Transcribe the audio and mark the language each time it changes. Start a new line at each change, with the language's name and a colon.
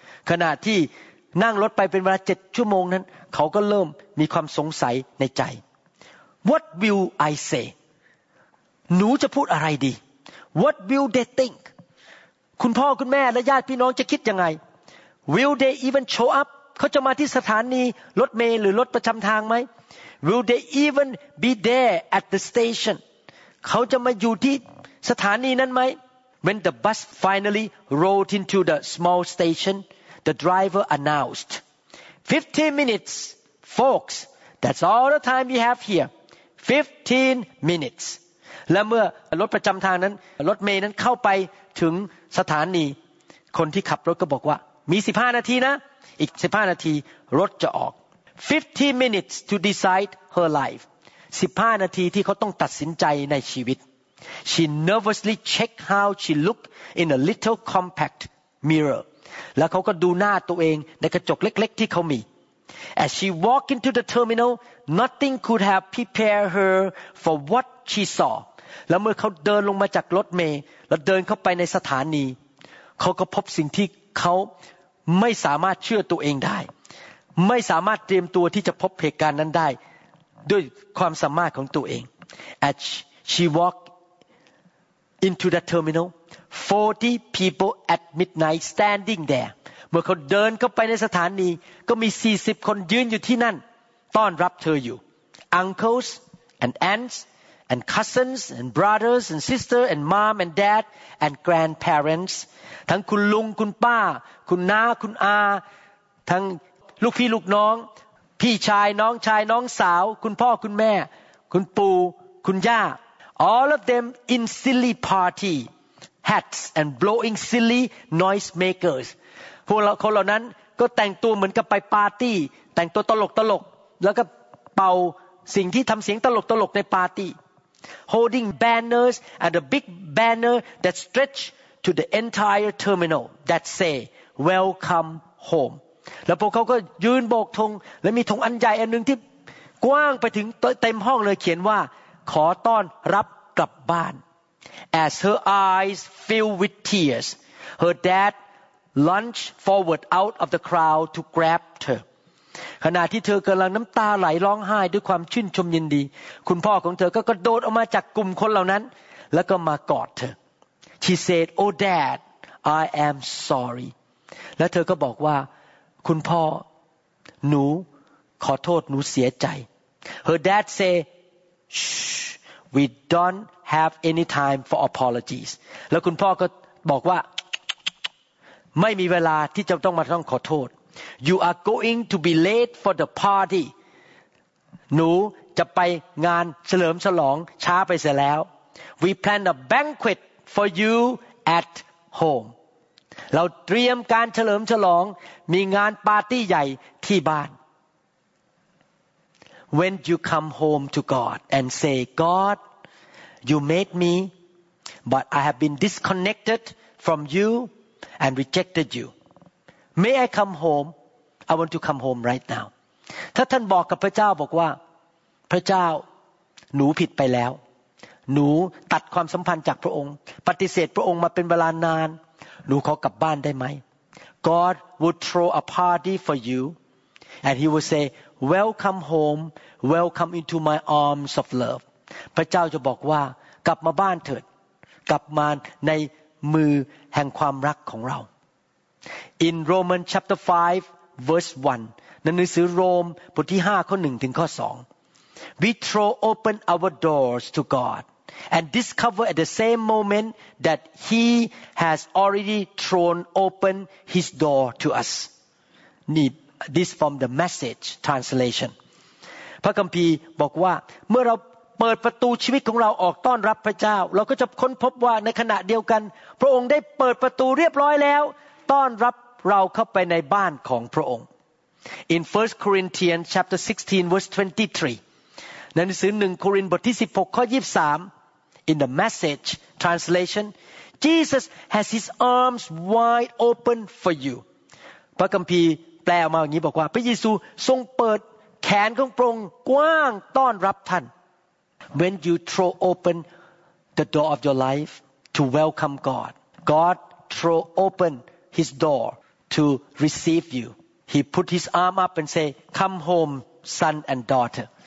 Thai: ขณะที่นั่งรถไปเป็นเวลา7ชั่วโมงนั้นเขาก็เริ่มมีความสงสัยในใจ
English: What will I say?
Thai: หนูจะพูดอะไรดี
English: What will they think?
Thai: คุณพ่อคุณแม่และญาติพี่น้องจะคิดยังไง
English: Will they even show up?
Thai: เขาจะมาที่สถานีรถเมล์หรือรถประจำทางไหม
English: Will they even be there at the station?
Thai: เขาจะมาอยู่ที่สถานีนั้นไหม
English: When the bus finally rolled into the small stationThe driver announced, 15 minutes, folks. That's all the time we have here. 15 minutes.
Thai: และเมื่อรถประจำทางนั้นรถเมล์นั้นเข้าไปถึงสถานีคนที่ขับรถก็บอกว่ามี15นาทีนะอีก15นาทีรถจะออก
English: 15 minutes to decide her life.
Thai: 15นาทีที่เขาต้องตัดสินใจในชีวิต
English: She nervously checked how she looked in a little compact mirror.
Thai: แล้วเขาก็ดูหน้าตัวเองในกระจกเล็กๆที่เขามี
English: As she walked into the terminal, nothing could have prepared her for what she saw.
Thai: แล้วเมื่อเขาเดินลงมาจากรถเมล์แล้วเดินเข้าไปในสถานีเขาก็พบสิ่งที่เขาไม่สามารถเชื่อตัวเองได้ไม่สามารถเตรียมตัวที่จะพบเหตุการณ์นั้นได้ด้วยความสามารถของตัวเอง
English: As she walked into the terminal,40 people at midnight standing there.
Thai: เมื่อเขาเดินเข้าไปในสถานีก็มี40คนยืนอยู่ที่นั่นต้อนรับเธออยู่
English: Uncles and aunts and cousins and brothers and sisters and mom and dad and grandparents.
Thai: ทั้งคุณลุงคุณป้าคุณน้าคุณอาทั้งลูกพี่ลูกน้องพี่ชายน้องชายน้องสาวคุณพ่อคุณแม่คุณปู่คุณย่า
English: All of them in silly partyHats and blowing silly noise makers.
Thai: พวกเราคนเหล่านั้นก็แต่งตัวเหมือนกับไปปาร์ตี้แต่งตัวตลกๆแล้วก็เป่าสิ่งที่ทำเสียงตลกๆในปาร์ตี้ห
English: holding banners and a big banner that stretch to the entire terminal that say welcome home
Thai: แล้วพวกเขาก็ยืนโบกธงและมีธงอันใหญ่อันนึงที่กว้างไปถึงเต็มห้องเลยเขียนว่าขอต้อนรับกลับบ้าน
English: as her eyes fill with tears her dad lunged forward out of the crowd to grab her
Thai: ขณะที่เธอกำลังน้ำตาไหลร้องไห้ด้วยความชื่นชมยินดีคุณพ่อของเธอก็กระโดดออกมาจากกลุ่มคนเหล่านั้นแล้วก็มากอดเธอ
English: she said oh dad I am sorry
Thai: และเธอก็บอกว่าคุณพ่อหนูขอโทษหนูเสียใจ
English: her dad say shh we don't have any time for apologies
Thai: แล้วคุณพ่อก็บอกว่าไม่มีเวลาที่จะต้องมาต้องขอโทษ
English: you are going to be late for the party
Thai: หนูจะไปงานเฉลิมฉลองช้าไปเสียแล้ว
English: we plan a banquet for you at home
Thai: เราเตรียมการเฉลิมฉลองมีงานปาร์ตี้ใหญ่ที่บ้าน
English: When you come home to God and say God you made me but I have been disconnected from you and rejected you May I come home I want to come home right now
Thai: ถ้าท่านบอกกับพระเจ้าบอกว่าพระเจ้าหนูผิดไปแล้วหนูตัดความสัมพันธ์จากพระองค์ปฏิเสธพระองค์มาเป็นเวลานานหนูขอกลับบ้านได้ไหม
English: God would throw a party for you and he would say welcome home welcome into my arms of love
Thai: พระเจ้าจะบอกว่ากลับมาบ้านเถิดกลับมาในมือแห่งความรักของเรา
English: In Romans chapter 5 verse 1
Thai: ในหนังสือโรมบทที่5ข้อ1ถึงข้อ2
English: We throw open our doors to GodAnd discover at the same moment that he has already thrown open his door to us. This from the message translation.
Thai: พระคัมภีร์บอกว่าเมื่อเราเปิดประตูชีวิตของเราออกต้อนรับพระเจ้าเราก็จะค้นพบว่าในขณะเดียวกันพระองค์ได้เปิดประตูเรียบร้อยแล้วต้อนรับเราเข้าไปในบ้านของพระองค์
English: In 1 Corinthians chapter 16 verse 23.
Thai: หนังสือ1โครินธ์บทที่16ข้อ23
English: In the message translation Jesus has his arms wide open for you
Thai: พระคัมภีร์แปลออกมาอย่างนี้บอกว่าพระเยซูทรงเปิดแขนของพระองค์กว้างต้อนรับท่าน
English: When you throw open the door of your life to welcome God God throw open his door to receive you He put his arm up and say come home son and daughter